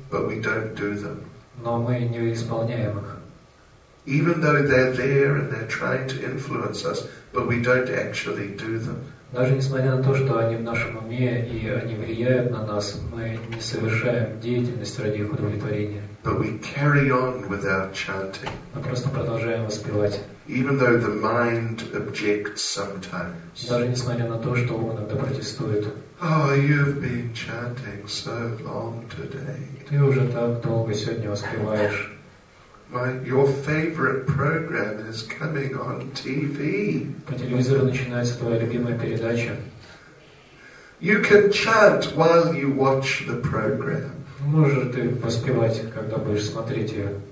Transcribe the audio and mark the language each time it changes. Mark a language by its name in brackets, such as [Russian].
[English] but we don't do them. [Russian] Но мы не исполняем их. [English] Even though they're there and they're trying to influence us, but we don't actually do them. [Russian] Даже несмотря на то, что они в нашем уме и они влияют на нас, мы не совершаем деятельность ради их удовлетворения. [English] But we carry on with our chanting. [Russian] Мы просто продолжаем воспевать. [English] Even though the mind objects sometimes. [Russian] Даже несмотря на то, что ум иногда протестует. [English] Oh, you've been chanting so long today. [Russian] Ты уже так долго сегодня воспеваешь. [English] My, your favorite program is coming on TV. [Russian] По телевизору начинается твоя любимая передача. [English] You can chant while you watch the program. [Russian] Можешь ты воспевать, когда будешь смотреть ее.